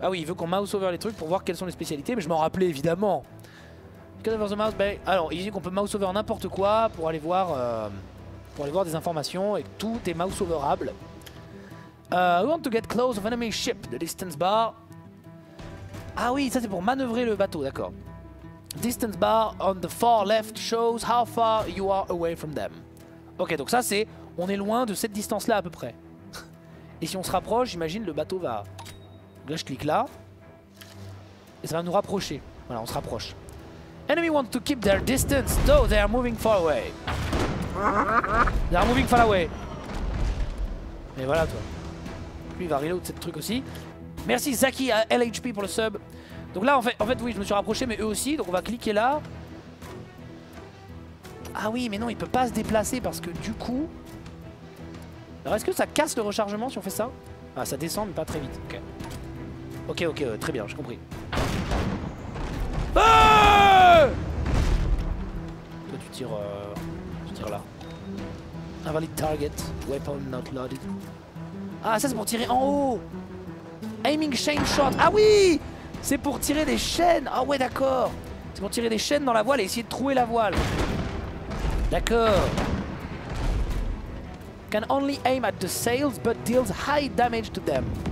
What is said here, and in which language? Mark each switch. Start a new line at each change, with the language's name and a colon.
French: Ah oui, il veut qu'on mouse over les trucs pour voir quelles sont les spécialités, mais je m'en rappelais évidemment.
English: Because of the mouse,
French: bah, alors il dit qu'on peut mouse over n'importe quoi pour aller voir des informations et tout est mouse overable.
English: We want to get close of enemy ship, the distance bar.
French: Ah oui, ça c'est pour manœuvrer le bateau, d'accord.
English: Distance bar on the far left shows how far you are away from them.
French: Ok, donc ça c'est on est loin de cette distance là à peu près. Et si on se rapproche, j'imagine le bateau va. Là, je clique là. Et ça va nous rapprocher. Voilà, on se rapproche.
English: Enemy wants to keep their distance, though they are moving far away. They are moving far away.
French: Et voilà, toi. Lui, il va reload ce truc aussi. Merci, Zaki, à LHP pour le sub. Donc là, en fait, oui, je me suis rapproché, mais eux aussi. Donc on va cliquer là. Ah oui, mais non, il peut pas se déplacer parce que du coup. Alors, est-ce que ça casse le rechargement si on fait ça? Ah, ça descend, mais pas très vite. Ok. Ok, très bien, j'ai compris. Ah ! Toi, tu tires là.
English: Invalid target, weapon not loaded.
French: Ah, ça c'est pour tirer en haut.
English: Aiming chain shot.
French: Ah oui ! C'est pour tirer des chaînes. Ah ouais, d'accord. C'est pour tirer des chaînes dans la voile et essayer de trouer la voile. D'accord.
English: Can only aim at the sails, but deals high damage to them.